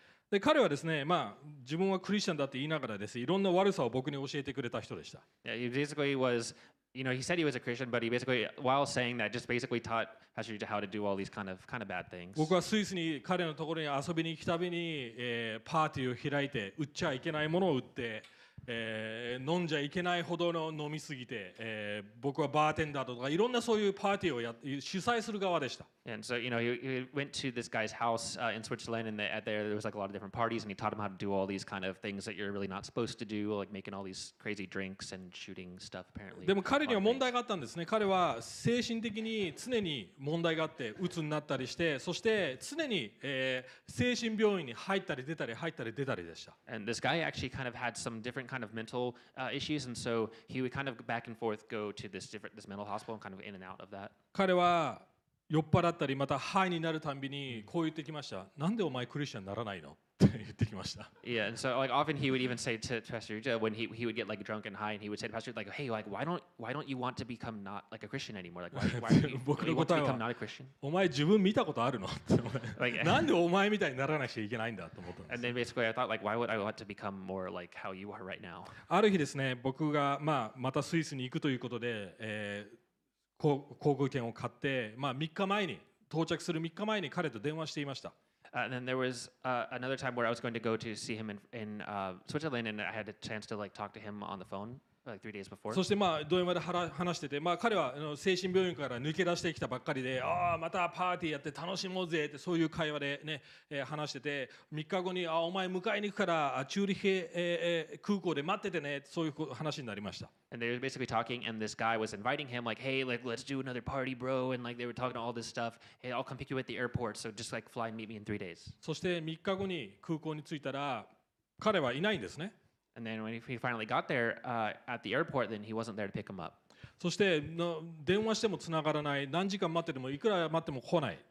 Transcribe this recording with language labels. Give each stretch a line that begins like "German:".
Japanese: で彼はですね、まあ、自分はクリスチャンだって言いながらです、いろんな悪さを僕に教えてくれた人でした。
English: Yeah, he basically was, you know, he said he was a Christian, but he basically, while saying that, just basically taught Pastor Joe how to do all these kind of bad things.
Japanese: 僕はスイスに彼のところに遊びに来たびに、パーティーを開いて、売っちゃいけないものを売って、飲んじゃいけないほどの飲みすぎて、僕はバーテンダーとかいろんなそういうパーティーを主催する側でした。
English: And so, you know, he went to this guy's house, in Switzerland, and there was like a lot of different parties, and he taught him how to do all these kind of things that you're really not supposed to do, like making all these crazy drinks and shooting stuff, apparently.
Japanese: でも彼には問題があったんですね。彼は精神的に常に問題があって、鬱になったりして、そして常に、精神病院に入ったり出たり、入ったり出たりでした。
English: And this guy actually kind of had some different kind of mental, issues, and so he would kind of back and forth go to this mental hospital and kind of in and out of that.
Japanese: 彼は酔っ払ったりまたハイになるたびにこう言ってきました。なんでお前クリスチャンにならないのって言ってきました。
English: Yeah, and so like often he would even say to Pastor Joe when he would get like drunk and high and he would say to Pastor like, hey, like why don't you want to become not like a Christian anymore? Like why do you want to become not a Christian?
Japanese: お前自分見たことあるのって。Like, なんでお前みたいにならなきゃいけないんだと思ったんです。
English: And then basically I thought like why would I want to become more like how you are right now?
Japanese: ある日ですね、僕が、まあ、またスイスに行くということで、航空券を買って、まあ、3日前に到着する3日前に彼と電話していました。
English: And then there was, another time where I was going to go to see him in, Switzerland and I had a chance to like talk to him on the phone like 3 days before.
Japanese: そしてまあ電話で話してて、まあ、彼は精神病院から抜け出してきたばっかりで、ああまたパーティーやって楽しもうぜってそういう会話でね、話してて、3日後にあお前迎えに行くからチューリヒ、空港で待っててねそういう話になりました。
English: And they were basically talking, and this guy was inviting him, like, hey, like, let's do another party, bro. And like, they were talking all this stuff. Hey, I'll come pick you at the airport. So just like, fly and meet me in 3 days.
Japanese: そして3日後に空港に着いたら、彼はいないんですね。
English: And then when he finally got there, at the airport, then he wasn't there to pick him up.
Japanese: そして電話しても繋がらない。何時間待ってても、いくら待っても来ない。